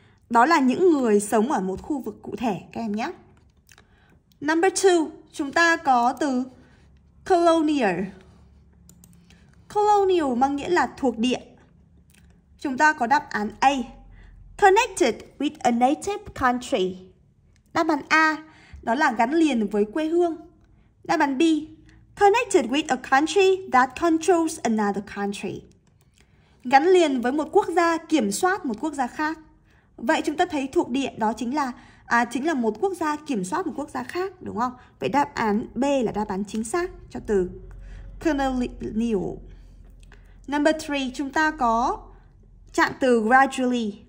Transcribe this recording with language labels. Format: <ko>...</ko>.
<vi>Đó là những người sống ở một khu vực cụ thể các em nhé.</vi> <en>Number 2,</en> <vi>chúng ta có từ colonial. Colonial mang nghĩa là thuộc địa. Chúng ta có đáp án A.</vi> <en>Connected with a native country.</en> <vi>Đáp án A, đó là gắn liền với quê hương. Đáp án B,</vi> <en>connected with a country that controls another country.</en> <vi>Gắn liền với một quốc gia, kiểm soát một quốc gia khác. Vậy chúng ta thấy thuộc địa đó chính là một quốc gia kiểm soát một quốc gia khác, đúng không? Vậy đáp án B là đáp án chính xác cho từ colonial.</vi> <en>Number 3,</en> <vi>chúng ta có trạng từ gradually.</vi>